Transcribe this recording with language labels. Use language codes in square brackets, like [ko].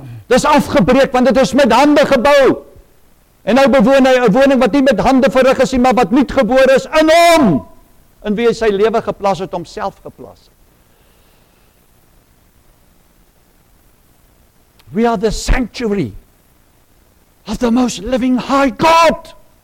[af] Dis afgebreek, want dit is met hande gebouw. En nou bewoon hy 'n woning wat nie met hande verrig is nie, maar wat nie gebore is in hom, in wie hy sy lewe geplas het, homself geplas het. [en] We are the sanctuary of the most living high God.